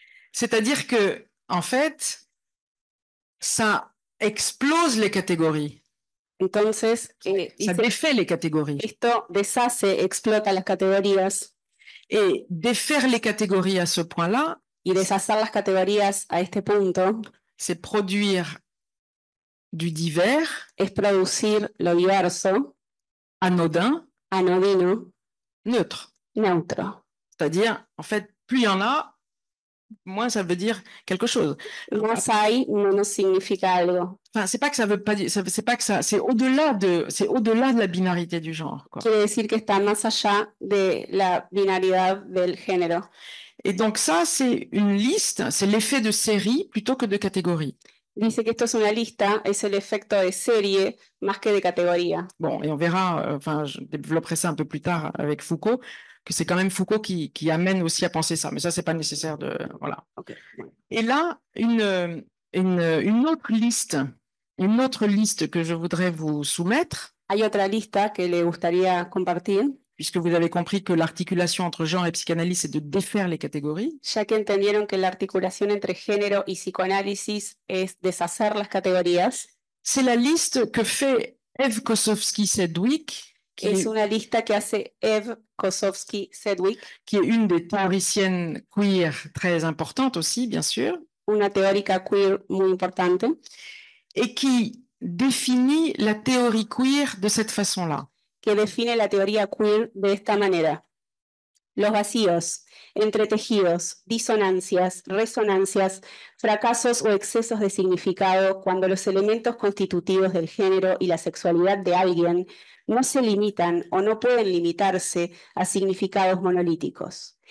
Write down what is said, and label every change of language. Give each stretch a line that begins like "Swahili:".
French: C'est-à-dire que, en fait, ça explose les catégories.
Spanish: Entonces,
French: ça défait les catégories.
Spanish: Esto deshace, explota las categorías.
French: Et défaire les catégories à ce point-là,
Spanish: y deshacer las categorías a este punto,
French: c'est produire du divers,
Spanish: es producir lo diverso,
French: anodin,
Spanish: anodino,
French: neutre, neutre. C'est-à-dire, en fait, plus il y en a, moins ça veut dire quelque chose.
Spanish: Más hay, menos significa algo.
French: Enfin, c'est pas que ça veut pas dire, c'est pas que ça, c'est au-delà de la binarité du genre, quoi.
Spanish: Quiere decir que está más allá de la binariedad del género.
French: Et donc ça, c'est une liste, c'est l'effet de série plutôt que de catégorie.
Spanish: Dice que esto es una lista, es el efecto de serie más que de categoría.
French: Bon, et on verra, enfin, je développerai ça un peu plus tard avec Foucault, que c'est quand même Foucault qui amène aussi à penser ça, mais ça, c'est pas nécessaire de... Voilà. Okay. Et là, une autre liste, une autre liste que je voudrais vous soumettre.
Spanish: Hay otra lista que le gustaría compartir.
French: Puisque vous avez compris que l'articulation entre genre et psychanalyse est de défaire les catégories.
Spanish: Ya que entendieron que l'articulación entre género y psicoanálisis es deshacer las categorías.
French: C'est la liste que fait Eve Kosofsky-Sedgwick, qui est une liste que fait Eve Kosofsky-Sedgwick, qui est une des théoriciennes queer très importantes aussi, bien sûr.
Spanish: Una teórica queer muy importante.
French: Et qui définit la théorie queer de cette façon-là.
Spanish: Que define la teoría queer de esta manera. Los vacíos, entretejidos, disonancias, resonancias, fracasos o excesos de significado cuando los elementos constitutivos del género y la sexualidad de alguien no se limitan o no pueden limitarse a significados monolíticos.